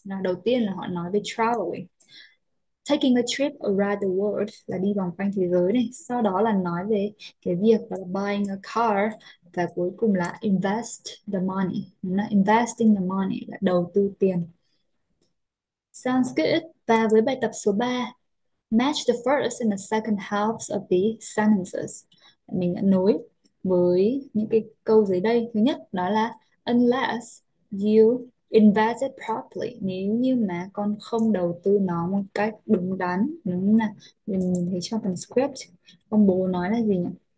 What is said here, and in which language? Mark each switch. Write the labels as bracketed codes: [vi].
[vi] Nào, đầu tiên là họ nói về [en] traveling, taking a trip around the world, [vi] là đi vòng quanh thế giới này. Sau đó là nói về cái việc là [en] buying a car. [vi] Và cuối cùng là [en] invest the money. [vi] Là [en] investing the money, [vi] là đầu tư tiền. [en] Sounds good. [vi] Và với bài tập số 3, [en] Match the first and the second halves of the sentences. [vi] Mình nối với những cái câu dưới đây. Thứ nhất đó là [en] unless you invest it properly. [vi] Nếu như mà con không đầu tư nó một cách đúng đắn, đúng là mình thấy trong phần script ông bố nói là gì nhỉ?